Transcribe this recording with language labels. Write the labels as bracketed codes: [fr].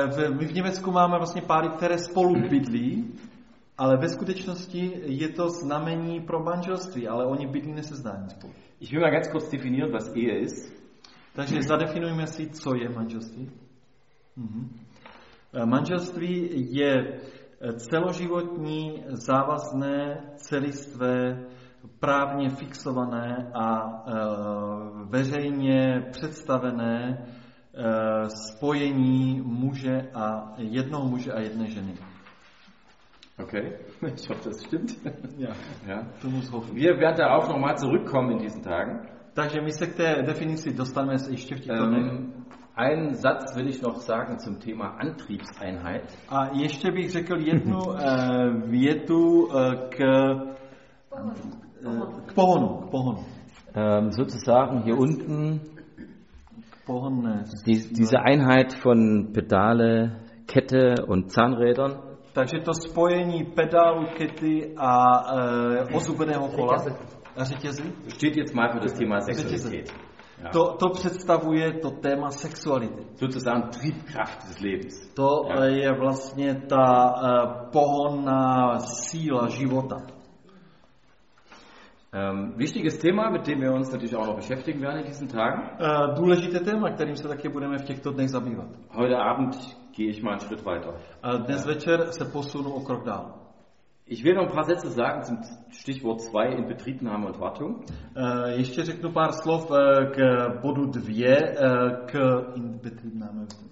[cs] My v Německu máme vlastně páry, které spolu bydlí. Ale ve skutečnosti je to znamení pro manželství, ale oni bydlí nesezdání spolu. [de] Ich will mal ganz kurz definieren, was Ehe ist. [cs] Takže zadefinujeme si, co je manželství. Manželství je celoživotní, závazné, celistvé, právně fixované a veřejně představené spojení muže a jednoho muže a jedné ženy. [de] Okay, ich hoffe, das stimmt. Ja, du musst hoffen. Wir werden da auch nochmal zurückkommen in diesen Tagen. [cs] Takže my se k té definici dostaneme ještě v těchto dnech. [de] Einen Satz will ich noch sagen zum Thema Antriebseinheit. [cs] A ještě bych řekl jednu větu k pohonu. [de] Sozusagen hier unten [cs] pohonné, [de] diese Einheit von Pedale, Kette und Zahnrädern. [cs] Takže to spojení pedálu, kety a ozubeného kola a řetězy. [de] Steht jetzt mal für das Thema Sexualität. [cs] To představuje to téma sexuality. [de] Sozusagen Triebkraft des Lebens. [cs] To je vlastně ta pohonná síla života. [de] Wichtiges Thema, mit dem wir uns natürlich auch noch beschäftigen werden in diesen Tagen. [cs] Důležité téma, kterým se také budeme v těchto dnech zabývat. [de] Heute Abend gehe ich mal einen Schritt weiter. [cs] Dnes večer se posunu o krok dál. [de] Ich will noch ein paar Sätze sagen zum Stichwort 2 in Betriebnahme und Wartung. [cs] Ještě řeknu pár slov k bodu 2 k Inbetriebnahme.